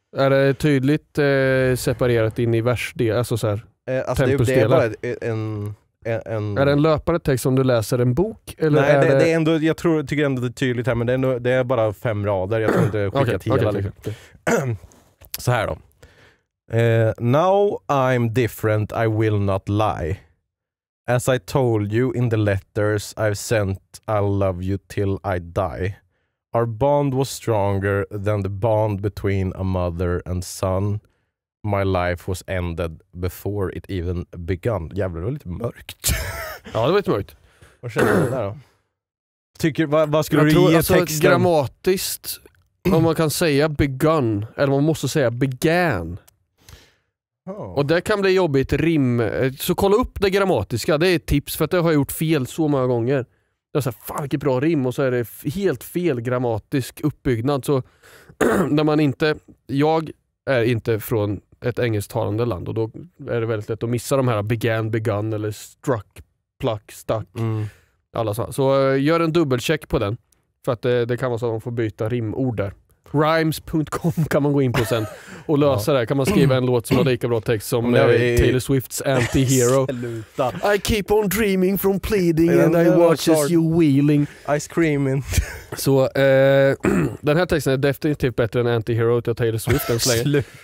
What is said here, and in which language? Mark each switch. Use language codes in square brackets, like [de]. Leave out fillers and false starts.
[sv] Är det tydligt separerat in i versdel? Alltså så här, tempusdelar? Det är bara en... Är det en löpande text om du läser en bok? Eller nej, det är ändå, jag tror, tycker ändå det är tydligt här, men det är bara fem rader. Jag tror inte skickat hela. Okay. Så här då. [en] Now I'm different, I will not lie. As I told you in the letters I've sent, I love you till I die. Our bond was stronger than the bond between a mother and son. My life was ended before it even begun. [sv] Jävlar, det var lite mörkt. Ja, det var lite mörkt. Vad känner du där då? Vad skulle du ge texten? Alltså, grammatiskt, om man kan säga begun, eller man måste säga began. Oh. Och det kan bli jobbigt rim. Så kolla upp det grammatiska. Det är ett tips, för att det har jag gjort fel så många gånger. Jag säger, fan vilket bra rim. Och så är det helt fel grammatisk uppbyggnad. Så när man inte... Jag är inte från ett engelsktalande land. Och då är det väldigt lätt att missa de här began, begun eller struck, pluck, stuck. Mm. Alla så gör en dubbelcheck på den. För att det kan vara så att man får byta rimord där. Rhymes.com kan man gå in på sen och lösa det. Kan man skriva en låt som har lika bra text som Taylor Swifts Anti-Hero. [en] I keep on dreaming from pleading and I watch as you wheeling. I scream in. [sv] Så den här texten är definitivt bättre än Anti-Hero till Taylor Swift än så länge.